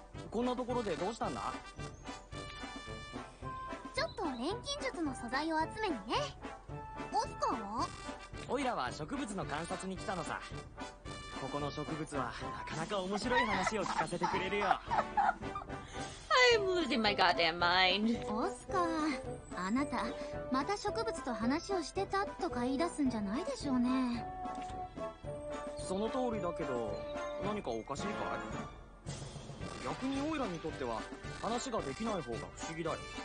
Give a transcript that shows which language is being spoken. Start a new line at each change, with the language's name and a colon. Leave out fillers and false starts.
Japanese: こんなところでどうしたんだ。ちょっと錬金術の素材を集めにね。オスカーは？オイラは植物の観察に来たのさ。ここの植物はなかなか面白い話を聞かせてくれるよ。
English: I'm losing my goddamn mind.
Japanese: オスカー、あなたまた植物と話をしてたとか言い出すんじゃないでしょうね。その通りだけど、何かおかしいかい？逆にオイラにとっては話ができない方が不思議だよ。